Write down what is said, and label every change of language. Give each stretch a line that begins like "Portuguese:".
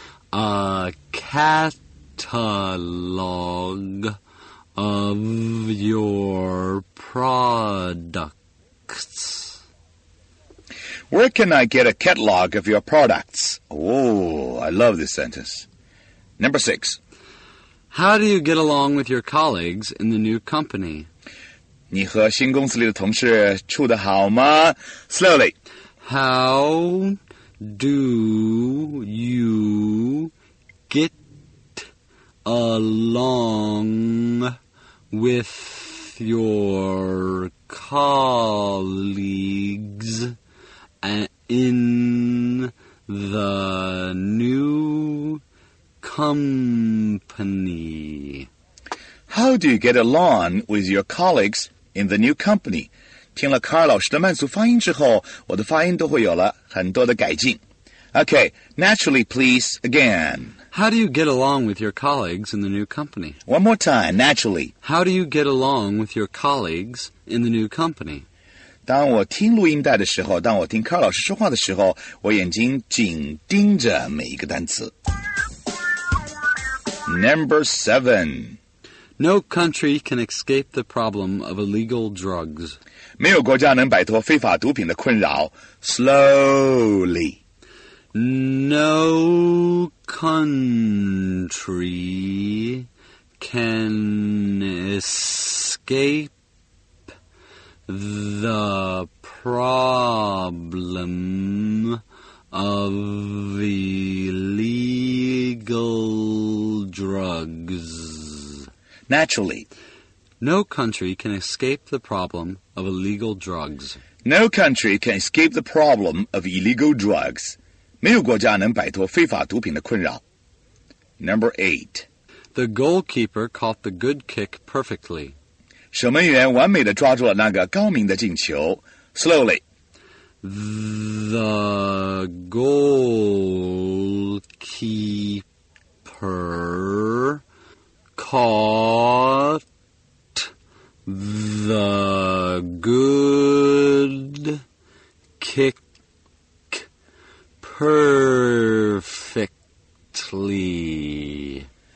English: A catalog of your products. Where can I get a catalog of your products? Oh, I love this sentence. Number six. How do you get along with your colleagues in the new company?
Chinese: 你和新公司里的同事处得好吗?
English: Slowly. How do you... Get along with your colleagues in the new company. How do you get along with your colleagues in the new company?
Chinese: 听了卡尔老师的慢速发音之后，我的发音都会有了很多的改进。
English: Okay, naturally, please, again. How do you get along with your colleagues in the new company? One more time, naturally. How do you get along with your colleagues in the new company?
Chinese: 当我听录音带的时候，当我听卡尔老师说话的时候，我眼睛紧盯着每一个单词。
English: Number 7. No country can escape the problem of illegal drugs.
Chinese: 没有国家能摆脱非法毒品的困扰。
English: Slowly. No country can escape the problem of illegal drugs. Naturally. No country can escape the problem of illegal drugs. No country can escape the problem of illegal drugs.
Chinese: 没有国家能摆脱非法毒品的困扰。
English: Number 8. The goalkeeper caught the good kick perfectly.
Chinese: 守门员完美地抓住了那个高明的进球。
English: Slowly. The goalkeeper caught the good kick perfectly.